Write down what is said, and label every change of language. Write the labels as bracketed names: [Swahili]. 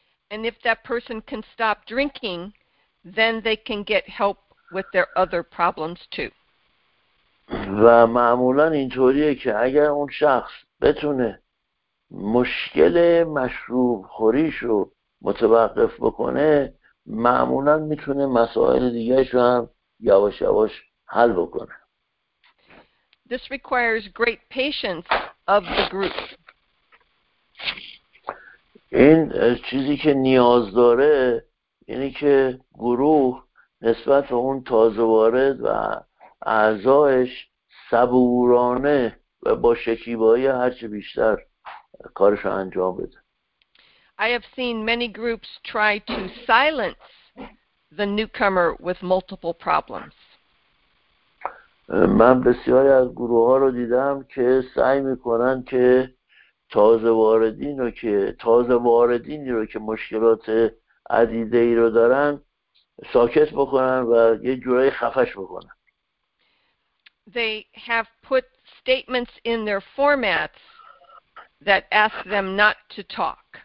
[English] And if that person can stop drinking, then they can get help with their other problems too. [Persian] و معمولا اینطوریه که اگر اون شخص بتونه مشکل مشروب خوریشو متوقف بکنه، معمولا میتونه مسائل دیگهشو هم یواش یواش حل بکنه. [English] This requires great patience of the group. [Persian] این چیزی که نیاز داره اینه که گروه نسبت به اون تازه وارد و اعضایش صبورانه و با شکیبایی هرچه بیشتر کارش رو انجام بده. [English] I have seen many groups try to silence the newcomer with multiple problems. [Persian] من بسیاری از گروه ها رو دیدم که سعی میکنن که تازه واردینی رو که مشکلات عدیده ای رو دارن ساکت بکنن و یه جورای خفش بکنن. [English] They have put statements in their formats that ask them not to talk.